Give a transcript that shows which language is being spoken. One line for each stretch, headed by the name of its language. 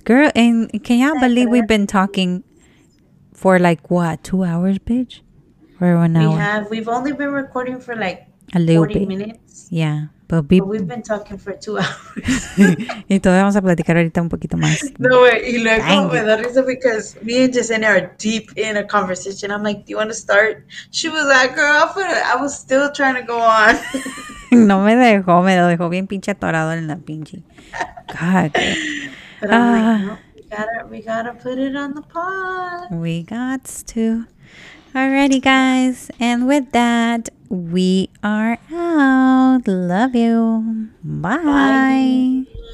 English: Girl, and can y'all believe we've been talking for like, what, 2 hours, bitch? For 1 hour. We've only been recording for like a little 40 bit. Minutes. Yeah. But, but we've been talking for 2 hours.
Spanish: Y todavía vamos a platicar ahorita un poquito más. No, y luego me da risa
English: because me and Jacinta are deep in a conversation. I'm like, do you want to start? She was like, girl, I was still trying to go on.
Spanish: No me dejó, me lo dejó bien pinche atorado en la pinche.
English: God. But I'm like, no, we gotta put it on the pod. We got to. Alrighty, guys. And with that, we are out. Love you. Bye. Bye.